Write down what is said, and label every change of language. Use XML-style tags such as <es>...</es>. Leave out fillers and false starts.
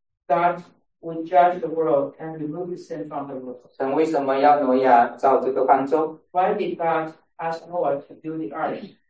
<en>God would judge the world and remove the sin from the world.</en> <zh>神为什么要挪亚造这个方舟?</zh> <en>Why did God ask Noah to build the ark?</en>